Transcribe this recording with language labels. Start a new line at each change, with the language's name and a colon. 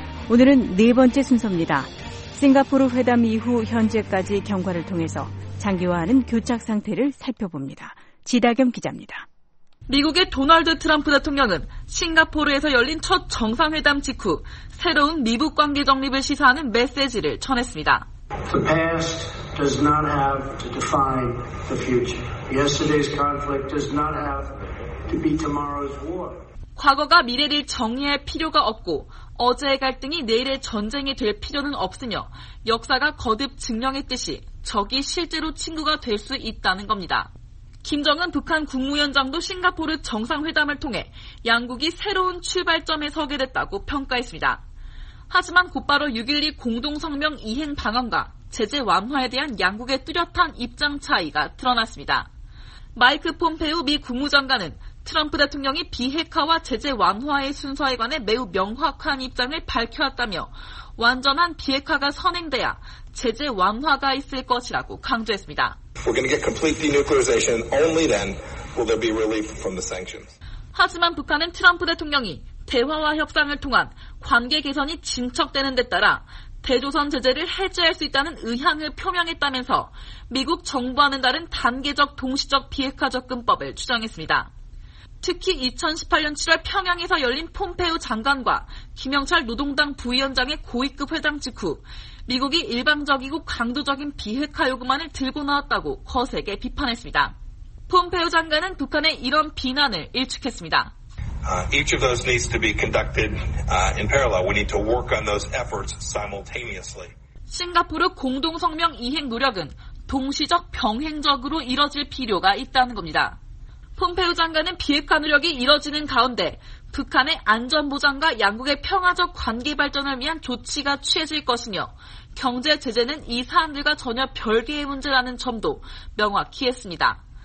Korean: 오늘은 네 번째 순서입니다. 싱가포르 회담 이후 현재까지 경과를 통해서 장기화하는 교착 상태를 살펴봅니다. 지다겸 기자입니다. 미국의 도널드 트럼프 대통령은 싱가포르에서 열린 첫 정상회담 직후 새로운 미북 관계 정립을 시사하는 메시지를 전했습니다.
English: The past does not have to define the future. Yesterday's conflict does not have to be tomorrow's war.
Korean: 과거가 미래를 정의할 필요가 없고 어제의 갈등이 내일의 전쟁이 될 필요는 없으며 역사가 거듭 증명했듯이 적이 실제로 친구가 될 수 있다는 겁니다. 김정은 북한 국무위원장도 싱가포르 정상회담을 통해 양국이 새로운 출발점에 서게 됐다고 평가했습니다. 하지만 곧바로 6.12 공동성명 이행 방안과 제재 완화에 대한 양국의 뚜렷한 입장 차이가 드러났습니다. 마이크 폼페이오 미 국무장관은 트럼프 대통령이 비핵화와 제재 완화의 순서에 관해 매우 명확한 입장을 밝혀왔다며 완전한 비핵화가 선행돼야 제재 완화가 있을 것이라고 강조했습니다.
English: We're going to get complete denuclearization. Only then will there be relief from the sanctions.
Korean: 하지만 북한은 트럼프 대통령이 대화와 협상을 통한 관계 개선이 진척되는 데 따라 대조선 제재를 해제할 수 있다는 의향을 표명했다면서 미국 정부와는 다른 단계적 동시적 비핵화 접근법을 주장했습니다. 특히 2018년 7월 평양에서 열린 폼페이오 장관과 김영철 노동당 부위원장의 고위급 회담 직후 미국이 일방적이고 강도적인 비핵화 요구만을 들고 나왔다고 거세게 비판했습니다. 폼페이오 장관은 북한의 이런 비난을 일축했습니다.
English: Each of those needs to be conducted in parallel. We need to work on those efforts simultaneously.
Korean: 싱가포르 공동성명 이행 노력은 동시적 병행적으로 이뤄질 필요가 있다는 겁니다. 폼페이오 장관은 비핵화 노력이 이뤄지는 가운데 북한의 안전보장과 양국의 평화적 관계 발전을 위한 조치가 취해질 것이며 경제 제재는 이 사안들과 전혀 별개의 문제라는 점도 명확히 했습니다.